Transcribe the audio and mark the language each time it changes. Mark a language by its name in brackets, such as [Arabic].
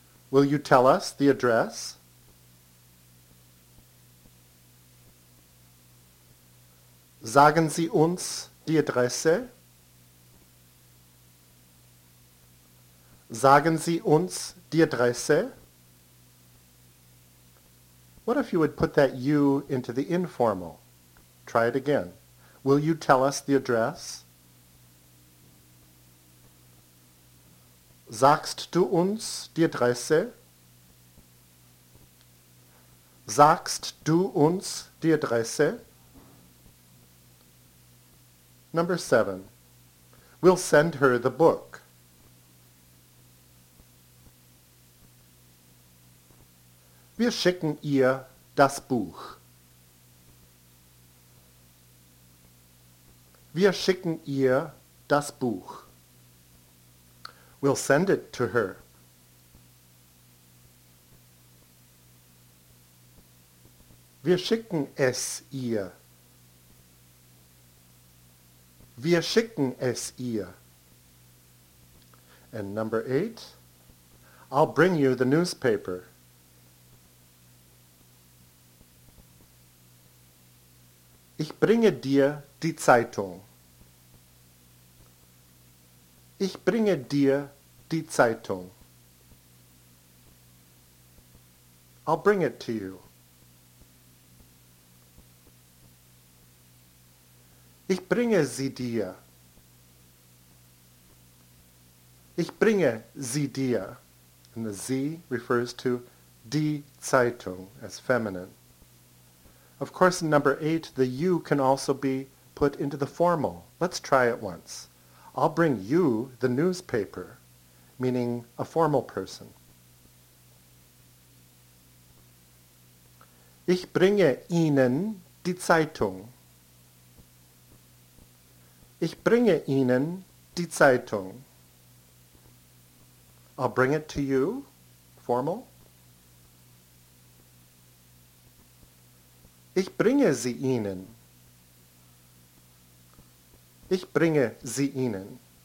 [English] Will you tell us the address? [German] Sagen Sie uns die Adresse? Sagen Sie uns die Adresse? [English] What if you would put that you into the informal? Try it again. Will you tell us the address? [German] Sagst du uns die Adresse? Sagst du uns die Adresse? [English] Number 7. We'll send her the book. [German] Wir schicken ihr das Buch. Wir schicken ihr das Buch. [English] We'll send it to her. [German] Wir schicken es ihr. Wir schicken es ihr. [English] And number 8. I'll bring you the newspaper. [German] Ich bringe dir die Zeitung. Ich bringe dir Die Zeitung. [English] I'll bring it to you. [German] Ich bringe sie dir. Ich bringe sie dir. [English] And the sie refers to die Zeitung as feminine. Of course, in number 8, the you can also be put into the formal. Let's try it once. I'll bring you the newspaper, meaning a formal person. [German] Ich bringe Ihnen die Zeitung. Ich bringe Ihnen die Zeitung. [English] I'll bring it to you, formal. [German] Ich bringe sie Ihnen. Ich bringe sie Ihnen.